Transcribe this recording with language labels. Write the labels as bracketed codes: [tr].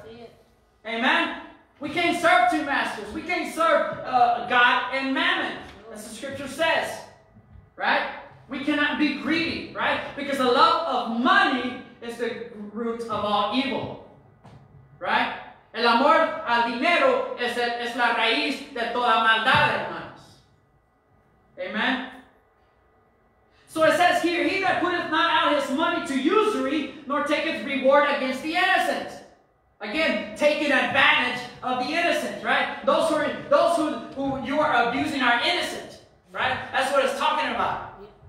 [en] See it. Amen? We can't serve two masters. We can't serve God and mammon. As the scripture says, right? We cannot be greedy, right? Because the love of money is the root of all evil, right? [es] El amor al dinero es la raíz de toda maldad, hermanos. [en] Amen? So it says here, he that putteth not out his money to usury, nor taketh reward against the innocent. Again, taking advantage of the innocent, right? Those who you are abusing are innocent. Right? That's what it's talking about.